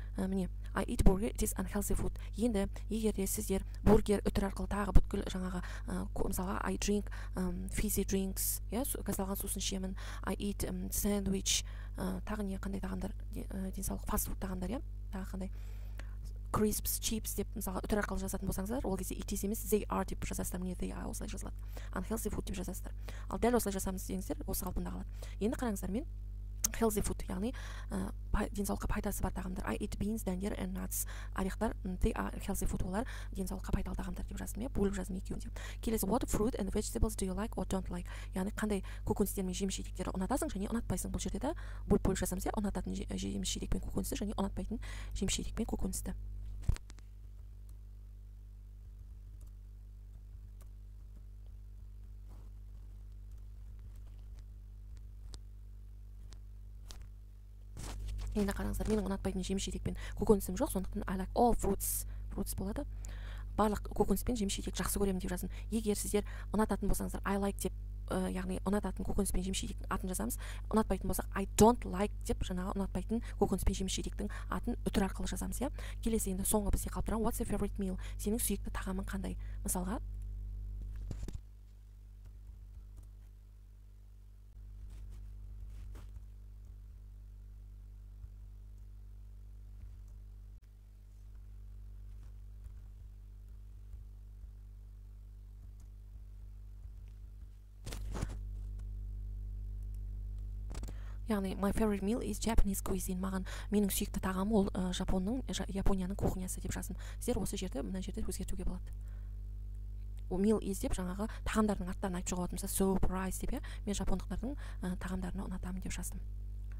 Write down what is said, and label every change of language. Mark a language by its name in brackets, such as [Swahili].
[English] Міне, I eat burger, it is unhealthy food. [Kazakh] Енді егер де сіздер бургер үтір арқылы тағы бүткіл жаңағы мысалға [English] I drink fizzy drinks, [Kazakh] иә, газдалған сусын ішемін. [English] I eat sandwich, [Kazakh] тағы не қандай тағамдар, денсаулық fast food тағамдар, иә? Тағы қандай? Crisps, chips деп мысалға үтір арқылы жазатын болсаңыздар, ол кезде [English] it is [Kazakh] емес, [English] they are [Kazakh] деп жазасыздар. Міне, they are осылай жазылады. [English] Unhealthy food [Kazakh] деп жазасыздар. Ал дәл осылай жасамыз деңіздер, осы қалпында қалады. Енді қараңыздар, мен [English] healthy food, [Kazakh] яғни денсаулыққа пайдасы бар тағамдар. [English] I eat beans, дәндер and nuts. [Kazakh] Орехтар, [English] they are healthy food, [Kazakh] олар денсаулыққа пайдалы тағамдар деп жаздым, бөліп жаздым екеуінде. [English] Келесі, what fruit and vegetables do you like or don't like? [Kazakh] Яғни қандай көкөністер мен жеміс жидектер ұнатасың және ұнатпайсың? Бұл жерде де бөліп жазамыз, ұнататын жеміс жидек пен көкөністі және ұнатпайтын жеміс жидек пен көкөністі. Енді қараңыздар, менің ұнатпайтын жеміс жидек пен көкөністім жоқ, сондықтан [English] I like all fruits. Fruits [Kazakh] болады. Барлық көкөніс пен жеміс жидек жақсы көремін деп жаздым. Егер сіздер ұнататын болсаңыздар, [English] I like [Kazakh] деп яғни ұнататын көкөніспен жеміс-жидектің атын жазамыз. Ұнатпайтын болсақ [English] I don't like [Kazakh] деп жаңа ұнатпайтын көкөніспен жеміс-жидектің атын үтір арқылы жазамыз, иә. Келесі енді соңғы бізге қалып тұрған [English] What's your favorite meal? [Kazakh] Сенің сүйікті тағамың қандай? [English] Мысалға My favorite meal is Japanese cuisine. [Kazakh] Маған менің сүйікті тағамы ол Японияның кухнясы деп жазсын. Сіздер осы жерде, мына жерде өзгертуге болады. Ол [English] meal is [Kazakh] деп жаңағы тағамдардың аттарын айтып шығатын болса, surprise деп, мен жапондықтардың тағамдарын ұнатамын деп жаздым.